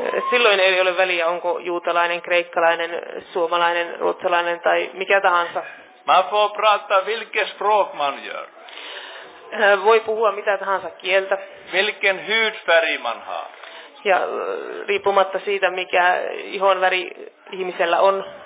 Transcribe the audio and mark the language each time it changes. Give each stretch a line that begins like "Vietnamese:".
Finnish: Silloin ei ole väliä, onko juutalainen, kreikkalainen, suomalainen, ruotsalainen tai mikä tahansa.
Swedish: Man får prata vilket språk man gör.
Finnish: Voi puhua mitä tahansa kieltä.
Swedish: Vilken hudfärg man har.
Finnish: Ja riippumatta siitä, mikä ihon väri ihmisellä on.